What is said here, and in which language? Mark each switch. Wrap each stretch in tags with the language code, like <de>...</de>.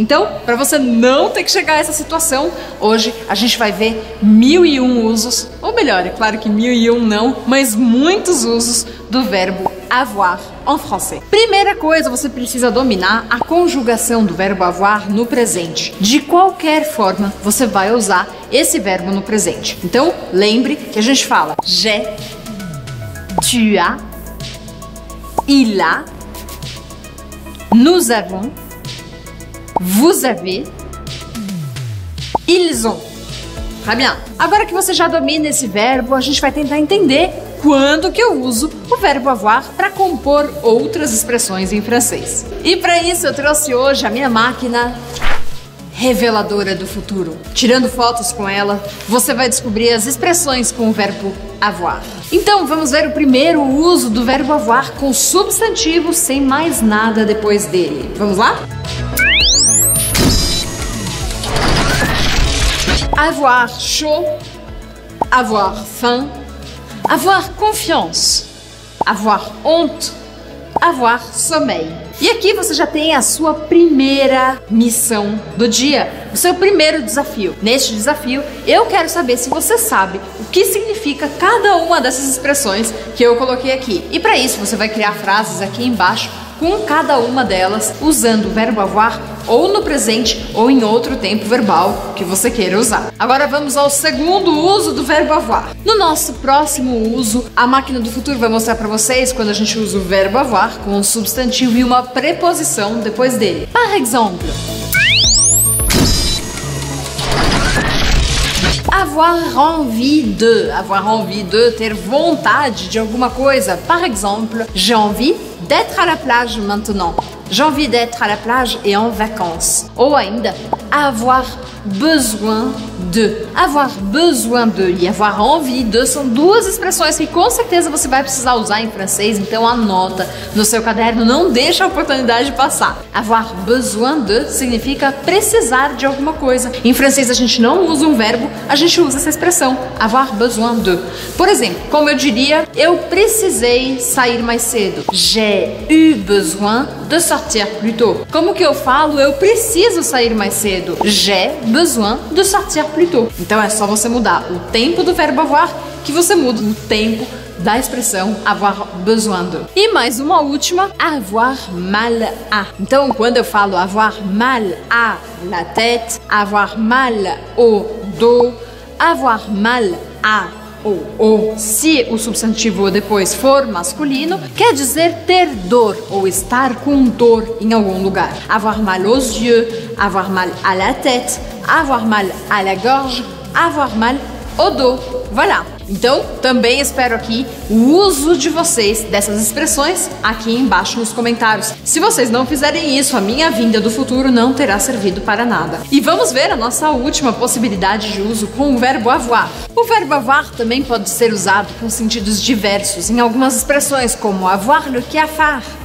<pt>Então, para você não ter que chegar a essa situação, hoje a gente vai ver 1001 usos, ou melhor, é claro que 1001 não, mas muitos usos do verbo avoir</pt> <fr>en français.</fr> <pt>Primeira coisa, você precisa dominar a conjugação do verbo avoir no presente. De qualquer forma, você vai usar esse verbo no presente. Então, lembre que a gente fala:</pt> <fr>j'ai, tu as, il a, nous avons, vous avez, ils ont.</fr> <pt>Tá bem? Agora que você já domina esse verbo, a gente vai tentar entender quando que eu uso o verbo avoir para compor outras expressões em francês. E para isso eu trouxe hoje a minha máquina reveladora do futuro. Tirando fotos com ela, você vai descobrir as expressões com o verbo avoir. Então, vamos ver o primeiro uso do verbo avoir com substantivo sem mais nada depois dele. Vamos lá?</pt> <fr>Avoir chaud, avoir faim, avoir confiance, avoir honte, avoir sommeil.</fr> <pt>E aqui você já tem a sua primeira missão do dia, o seu primeiro desafio. Neste desafio, eu quero saber se você sabe o que significa cada uma dessas expressões que eu coloquei aqui. E para isso, você vai criar frases aqui embaixo com cada uma delas, usando o verbo avoir ou no presente ou em outro tempo verbal que você queira usar. Agora vamos ao segundo uso do verbo avoir. No nosso próximo uso, a máquina do futuro vai mostrar para vocês quando a gente usa o verbo avoir com um substantivo e uma preposição depois dele.</pt> <fr>Par exemple, avoir envie de, avoir envie de,</fr> <pt>ter vontade de alguma coisa.</pt> <fr>Par exemple, j'ai envie d'être à la plage maintenant. J'ai envie d'être à la plage et en vacances.</fr> <pt>Ou ainda,</pt> <fr>avoir besoin de.</fr> <pt>Avoir besoin de e avoir envie de são duas expressões que com certeza você vai precisar usar em francês, então anota no seu caderno, não deixa a oportunidade passar. Avoir besoin de significa precisar de alguma coisa. Em francês a gente não usa um verbo, a gente usa essa expressão, avoir besoin de. Por exemplo, como eu diria, eu precisei sair mais cedo.</pt> <fr>J'ai eu besoin de sortir plus tôt.</fr> <pt>Como que eu falo, eu preciso sair mais cedo?</pt> <fr>J'ai besoin de sortir plus tôt.</fr> <pt>Então é só você mudar o tempo do verbo avoir que você muda o tempo da expressão avoir besoin de. E mais uma última,</pt> <fr>avoir mal à. Então quando eu falo avoir mal à la tête, avoir mal au dos,</fr> <pt>avoir mal à ou se o substantivo depois for masculino, quer dizer ter dor ou estar com dor em algum lugar.</pt> <fr>Avoir mal aux yeux, avoir mal à la tête, avoir mal à la gorge, avoir mal au dos. Voilà!</fr> <pt>Então, também espero aqui o uso de vocês dessas expressões aqui embaixo nos comentários. Se vocês não fizerem isso, a minha vinda do futuro não terá servido para nada. E vamos ver a nossa última possibilidade de uso com o verbo avoir. O verbo avoir também pode ser usado com sentidos diversos em algumas expressões, como avoir le cafard.</pt>